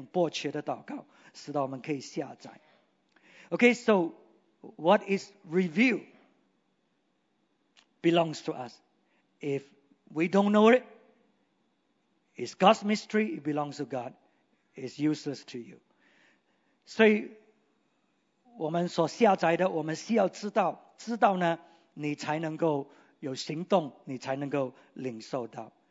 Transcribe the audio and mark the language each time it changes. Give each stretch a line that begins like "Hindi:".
Chinese: 所以你要进入那种迫切的祷告，使到我们可以下载。
English: Okay, so what is revealed belongs to us. If we don't know it, it's God's mystery, it belongs to God, it's useless to you.
Chinese: 所以我们所下载的，我们需要知道，知道呢，你才能够有行动，你才能够领受到。